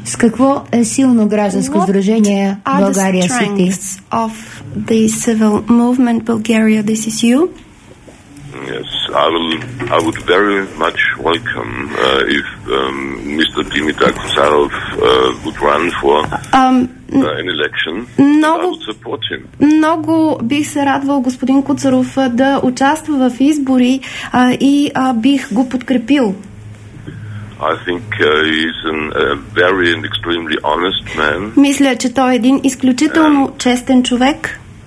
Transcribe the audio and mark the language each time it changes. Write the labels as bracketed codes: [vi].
[bg] С какво е силно гражданско сдружение България [en] City? Of the civil movement Bulgaria, this is you. Yes, I would very much welcome if Mr. Dimitar Kuzarov would run for an election. [bg] Много, [en] I would support him. [bg] Много бих се радвал господин Куцаров да участва в избори и бих го подкрепил. [en] I think he's a very and extremely honest man. [bg] Мисля, че той е един изключително честен човек.